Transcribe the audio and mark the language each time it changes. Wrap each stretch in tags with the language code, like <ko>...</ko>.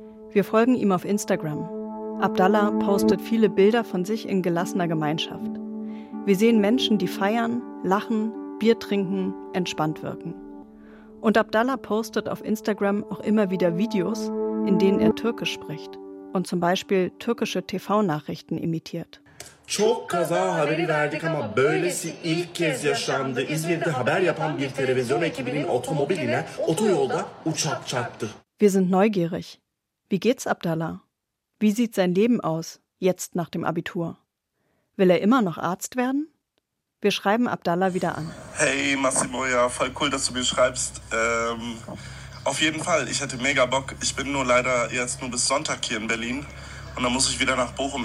<de>Wir folgen ihm auf Instagram. Abdallah postet viele Bilder von sich in gelassener Gemeinschaft. Wir sehen Menschen, die feiern, lachen, Bier trinken, entspannt wirken. Und Abdallah postet auf Instagram auch immer wieder Videos, in denen er Türkisch spricht und zum Beispiel türkische TV-Nachrichten imitiert.</de> <tr>Çok kaza haberi verdik ama böylesi ilk kez yaşandı. İzmir'de haber yapan bir televizyon ekibinin otomobiline otoyolda uçak çarptı.</tr> <de>Wir sind neugierig. Wie geht's Abdallah? Wie sieht sein Leben aus, jetzt nach dem Abitur? Will er immer noch Arzt werden? Wir schreiben Abdallah wieder an. Hey Massimo, ja, voll cool, dass du mir schreibst. Auf jeden Fall, ich hätte mega Bock. Ich bin nur leider jetzt nur bis Sonntag hier in Berlin. Und dann muss ich wieder nach Bochum.</de>